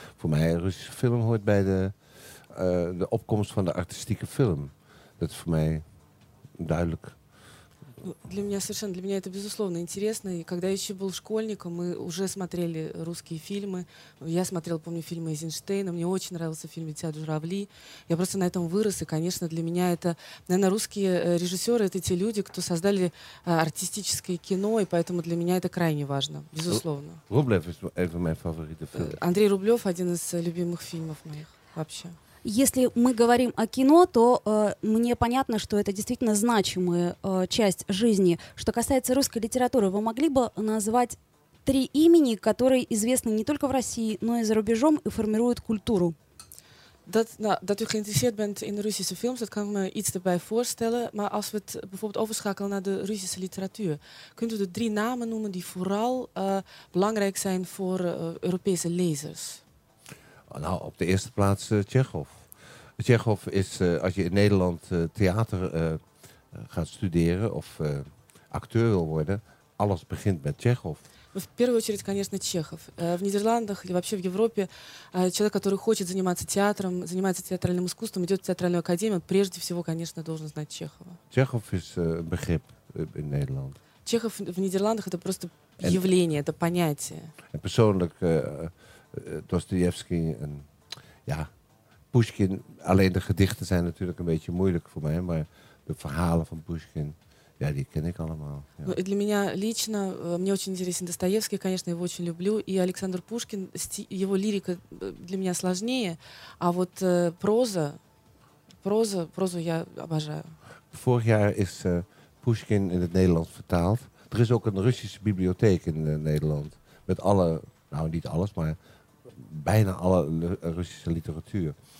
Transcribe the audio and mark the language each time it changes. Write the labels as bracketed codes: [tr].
[nl] Voor mij een Russische film hoort bij de opkomst van de artistieke film. Dat is voor mij duidelijk. [ru] Для меня совершенно, для меня это безусловно интересно. И когда я еще был школьником, мы уже смотрели русские фильмы. Я смотрела, помню, фильмы Эйзенштейна. Мне очень нравился фильм «Летят журавли». Я просто на этом вырос. И, конечно, для меня это, наверное, русские режиссеры — это те люди, кто создали артистическое кино. И поэтому для меня это крайне важно, безусловно. Рублев – это мой фаворит. Андрей Рублев – один из любимых фильмов моих вообще. Если мы говорим о кино, то мне понятно, что это действительно значимая часть жизни. Что касается русской литературы, вы могли бы назвать три имени, которые известны не только в России, но и за рубежом и формируют культуру? [nl] Dat u geïnteresseerd bent in de Russische films, dat kan ik me iets erbij voorstellen. Maar als we het bijvoorbeeld overschakelen naar de Russische literatuur, kunt u de drie namen noemen die vooral belangrijk zijn voor Europese lezers? Nou, op de eerste plaats Tsjechov. Tsjechov is, als je in Nederland theater gaat studeren of acteur wil worden, alles begint met Tsjechov. [ru] В первую очередь, конечно, Чехов. В Нидерландах или вообще в Европе человек, который хочет заниматься театром, занимается театральным искусством, идет в театральную академию, прежде всего, конечно, должен знать Чехова. [nl] Чехов is begrip in Nederland. [ru] Чехов в Нидерландах — это просто явление, это понятие. [nl] En persoonlijk Dostoevsky en ja, Pushkin. Alleen de gedichten zijn natuurlijk een beetje moeilijk voor mij, maar de verhalen van Pushkin, ja, die ken ik allemaal. Ja. [ru] Ну, для меня лично, мне очень интересен Достоевский, конечно, его очень люблю, и Александр Пушкин, его лирика для меня сложнее, а вот прозу я обожаю. [nl] Vorig jaar is Пушкин in het Nederlands vertaald. Er is ook een Russische bibliotheek in Nederland, met alle, nou niet alles, maar bijna alle Russische literatuur.